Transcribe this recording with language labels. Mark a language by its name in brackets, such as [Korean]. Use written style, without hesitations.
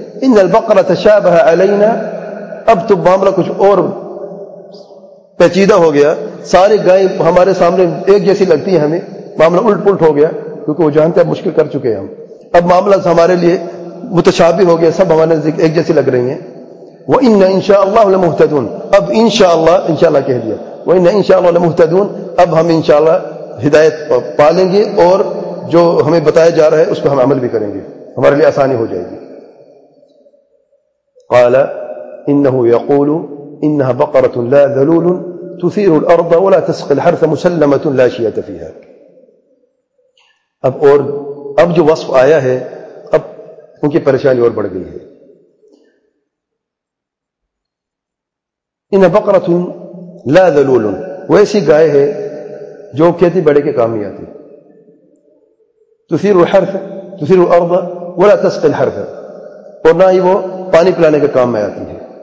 [Arabic] ان البقرۃ تشابہ علینا, [Urdu] اب تو معاملہ کچھ اور پیچیدہ ہو گیا, سارے گائے ہمارے سامنے ایک جیسی لگتی ہیں, ہمیں معاملہ الٹ پلٹ ہو گیا, کیونکہ وہ جانتے ہیں مشکل کر چکے ہیں ہم, اب معاملہ ہمارے لیے متشابہ ہو گیا, سب ہمارے نزدیک ایک جیسی لگ رہی ہیں. [Arabic] وَإِنَّ إِنْ شَاءَ اللَّهُ لَمُهْتَدُونَ, [Urdu] اب ان شاء اللہ, ان شاء اللہ کہہ دیا, وَإِنَّ إِنْ شَاءَ اللَّهُ لَمُهْتَدُونَ, اب ہم ان شاء اللہ ہدایت پا لیں گے اور جو ہمیں بتایا جا رہا ہے اس پہ ہم عمل بھی کریں گے, ہمارے لیے آسانی ہو جائے گی. [Arabic] قال انه يقول انها بقره لا ذلول تثير الارض ولا تسقي الحرث مسلمه لا شيئة فيها. [Urdu] اب اور اب جو وصف آیا ہے اب ان کی پریشانی اور بڑھ گئی ہے. [Arabic] انها بقرة لا ذلول, [Urdu] وہ ایسی گائے ہے جو کھیتی بڑے کے کام ہی آتی, [Arabic] تثیر الحرث تثیر الارض ولا تسقی الحرث, [Urdu] اور نہ ہی وہ پانی پلانے کے کام میں آتی ہے.